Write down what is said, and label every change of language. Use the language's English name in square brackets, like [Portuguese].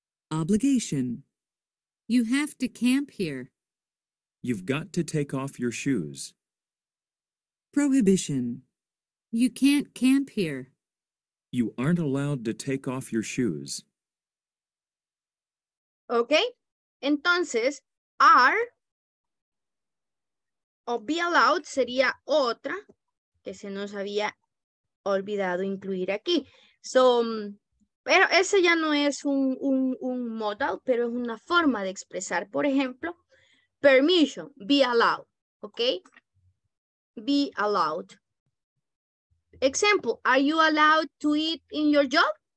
[English] Obligation. You have to camp here. You've got to take off your shoes. Prohibition. You can't camp here. You aren't allowed to take off your shoes. Okay. [Spanish] Entonces, are o be allowed sería otra que se nos había olvidado incluir aquí. [English] So, [Spanish] pero ese ya no es un modal, pero es una forma de expresar, por ejemplo, permission, be allowed, ¿ok? [English] Be allowed. Example, are you allowed to eat in your job?